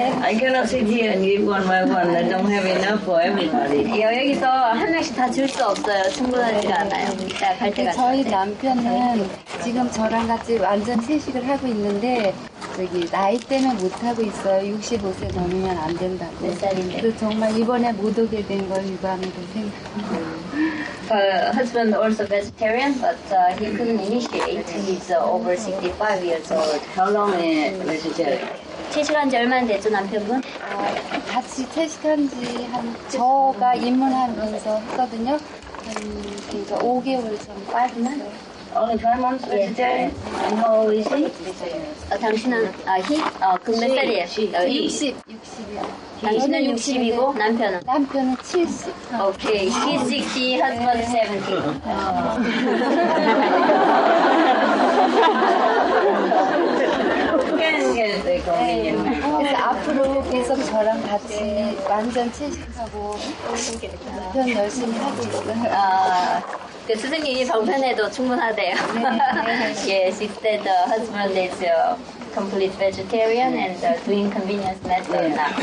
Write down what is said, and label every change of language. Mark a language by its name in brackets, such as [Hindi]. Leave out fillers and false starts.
[English] I cannot sit here and give one by one. I don't have enough for everybody. [Korean] 여기서 한 명씩 다 줄 수 없어요. 충분하지가 않아요. 저희 남편은 지금 저랑 같이 완전 채식을 하고 있는데 저기 나이 때문에 못하고 있어요. 65세 넘으면 안 된다고. 몇 살인데? 정말 이번에 못 오게 된 걸 유감으로 생각합니다. [English] Her husband also vegetarian, but he couldn't initiate. He's over 65 years old. How long is vegetarian? [Korean] 채식한 지 얼마나 됐죠, 남편분? 같이 채식한 지 한 저가 입문하면서 했거든요. 5개월 전 [English] 5 months? Only 5 months vegetarian? Yes. How old is he? [Korean] 당신은 그 몇 살이에요? 60. 당신은 60이고 남편은? 남편은 70. [English] Okay. He's 60, husband 70. Yeah. [Korean] 그래서 앞으로 계속 저랑 같이 완전 채식하고 남편 열심히 하고 있어요. 그 선생님이 방편에도 충분하대요. 네. [English] Yes, he said the husband is a complete vegetarian and doing convenience method now.